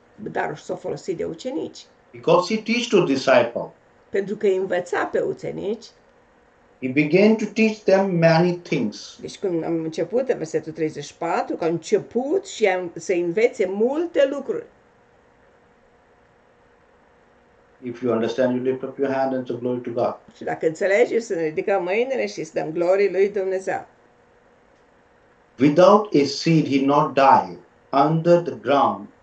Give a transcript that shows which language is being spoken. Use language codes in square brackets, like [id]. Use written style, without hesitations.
[ro] Dar s-a folosit de ucenici. [en] Because he teach to disciple. [ro] Pentru că învăța pe ucenici. [en] He began to teach them many things. [ro] Deci când am început, în versetul 34, că a început și să învețe multe lucruri. [en] If you understand, you lift up your hand and give glory to God. [ro] Și dacă înțelegi, să ne ridicăm mâinile și să dăm glorie lui Dumnezeu. [en] Without a seed, he not die under the ground.